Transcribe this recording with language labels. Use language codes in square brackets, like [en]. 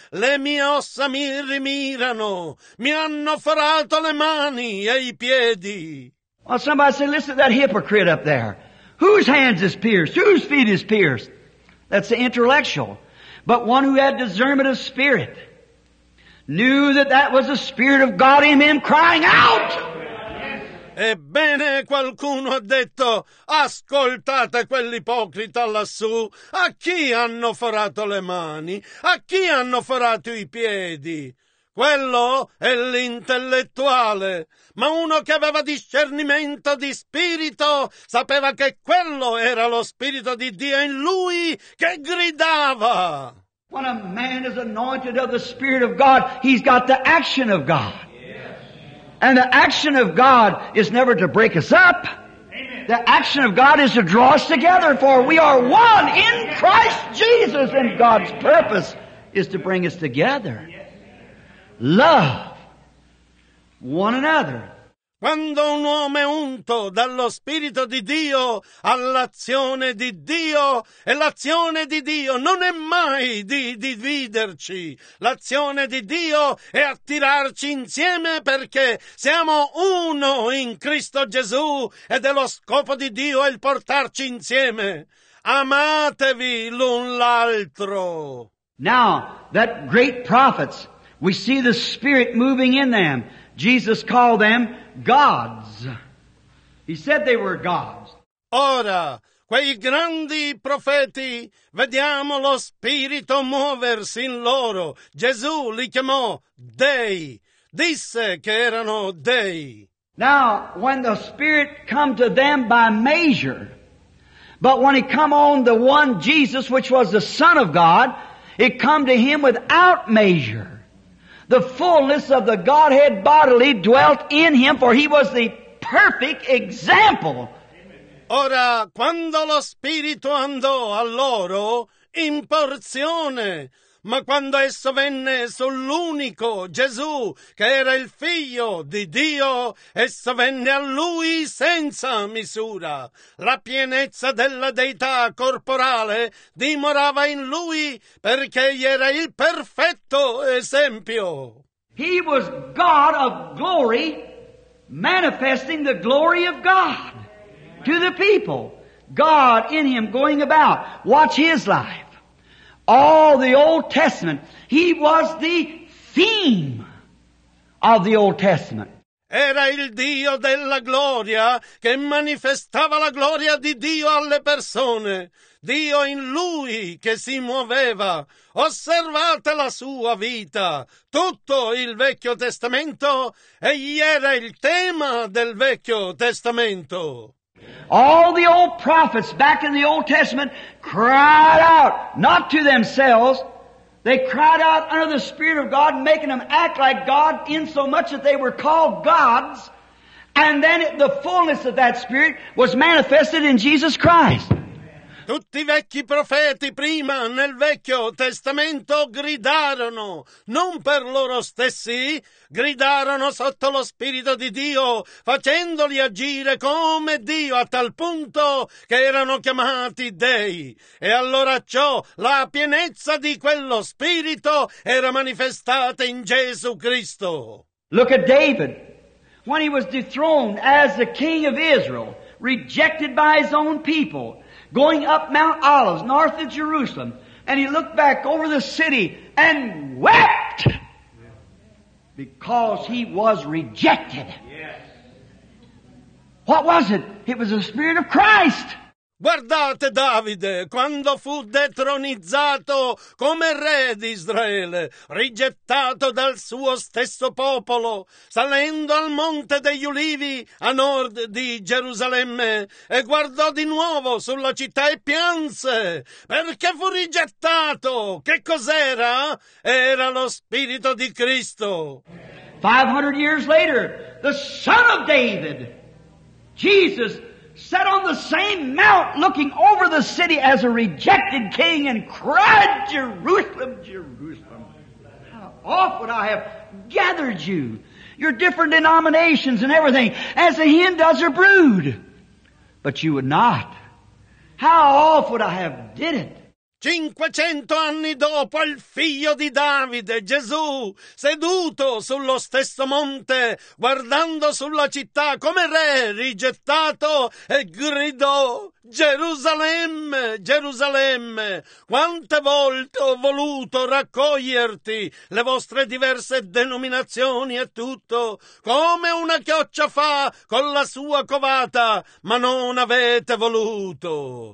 [it] Le mie ossa mi rimirano, mi hanno forato le mani e i piedi. [en] Well, somebody said, listen to that hypocrite up there. Whose hands is pierced? Whose feet is pierced? That's the intellectual. But one who had discernment of spirit knew that that was the Spirit of God in him crying out. [it] Ebbene, qualcuno ha detto, ascoltate quell'ipocrita lassù, a chi hanno forato le mani, a chi hanno forato i piedi? Quello è l'intellettuale, ma uno che aveva discernimento di spirito sapeva che quello era lo Spirito di Dio in lui che gridava. [en] When a man is anointed of the Spirit of God, he's got the action of God. Yes. And the action of God is never to break us up. Amen. The action of God is to draw us together, for we are one in Christ Jesus, and God's purpose is to bring us together. Yes. love one another. [it] Quando un uomo è unto dallo Spirito di Dio all'azione di Dio, e l'azione di Dio non è mai di dividerci. L'azione di Dio è attirarci insieme, perché siamo uno in Cristo Gesù, ed è lo scopo di Dio il portarci insieme. Amatevi l'un l'altro. [en] Now, that great prophets, we see the Spirit moving in them. Jesus called them gods. He said they were gods. [it] Ora, quei grandi profeti, vediamo lo Spirito muoversi in loro. Gesù li chiamò dei. Disse che erano dei. [en] Now, when the Spirit come to them by measure, but when he come on the one Jesus, which was the Son of God, it come to him without measure. The fullness of the Godhead bodily dwelt in him, for he was the perfect example. [it] Ora, quando lo Spirito andò a loro in porzione, ma quando esso venne sull'unico Gesù, che era il Figlio di Dio, esso venne a lui senza misura. La pienezza della Deità corporale dimorava in lui, perché egli era il perfetto esempio. [en] He was God of glory, manifesting the glory of God to the people. God in him going about. Watch his life. All the Old Testament, he was the theme of the Old Testament. [it] Era il Dio della gloria che manifestava la gloria di Dio alle persone. Dio in lui che si muoveva. Osservate la sua vita. Tutto il Vecchio Testamento, egli era il tema del Vecchio Testamento. [en] All the old prophets back in the Old Testament cried out, not to themselves, they cried out under the Spirit of God, making them act like God in so much that they were called gods, and then the fullness of that Spirit was manifested in Jesus Christ. [it] Tutti i vecchi profeti prima nel Vecchio Testamento gridarono, non per loro stessi, gridarono sotto lo Spirito di Dio, facendoli agire come Dio, a tal punto che erano chiamati dei. E allora ciò, la pienezza di quello Spirito, era manifestata in Gesù Cristo. [en] Look at David, when he was dethroned as the king of Israel, rejected by his own people, going up Mount Olives, north of Jerusalem, and he looked back over the city and wept because he was rejected. Yes. What was it? It was the Spirit of Christ. [it] Guardate Davide, quando fu detronizzato come re di Israele, rigettato dal suo stesso popolo, salendo al monte degli Ulivi a nord di Gerusalemme, e guardò di nuovo sulla città e pianse, perché fu rigettato. Che cos'era? Era lo Spirito di Cristo. [en] 500 years later, the Son of David, Jesus, sat on the same mount looking over the city as a rejected king and cried, Jerusalem, Jerusalem, how oft would I have gathered you, your different denominations and everything, as a hen does her brood. But you would not. How oft would I have did it? [it] 500 anni dopo, il figlio di Davide, Gesù, seduto sullo stesso monte, guardando sulla città come re rigettato, e gridò, Gerusalemme, Gerusalemme, quante volte ho voluto raccoglierti, le vostre diverse denominazioni e tutto, come una chioccia fa con la sua covata, ma non avete voluto.